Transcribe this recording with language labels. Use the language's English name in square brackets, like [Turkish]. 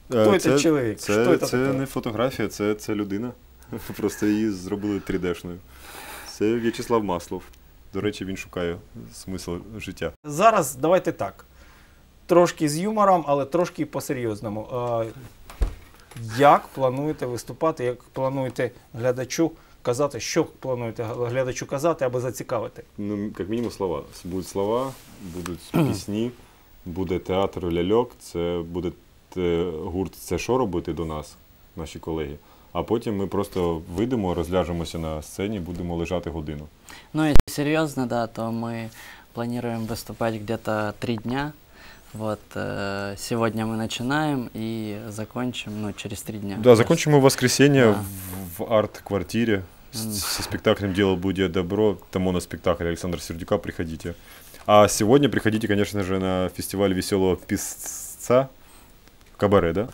[Russian] Кто этот человек? Это не фотография, это [Ukrainian] людина. [Russian] Просто ее сделали 3D-шную. Это Вячеслав Маслов. [Ukrainian] До речи, [Russian] он [Ukrainian] шукает [Russian] смысл [Ukrainian] життя. Зараз давайте так. Трошки [Russian] с юмором, [Ukrainian] але трошки [Russian] по-серьезному. [Ukrainian] Як плануєте виступати, як плануєте глядачу казати, що плануєте глядачу казати, аби зацікавити? Ну, як мінімум, слова. Будуть слова, будуть пісні, буде театр «Ляльок», це буде гурт «Це що робити» до нас, наші колеги. А потім ми просто вийдемо, розляжемося на сцені, будемо лежати годину. Ну, якщо серйозно, [Russian] да, [Ukrainian] то ми плануємо виступати десь 3 дні. [Russian] Вот, сегодня мы начинаем и закончим, ну, через 3 дня. Да, закончим мы в воскресенье, да. в арт-квартире со спектаклем «Дело будет добро», [Ukrainian] тому [Russian] на спектакль Александра Сердюка, приходите. А сегодня приходите, конечно же, на фестиваль «Веселого писца», кабаре, да?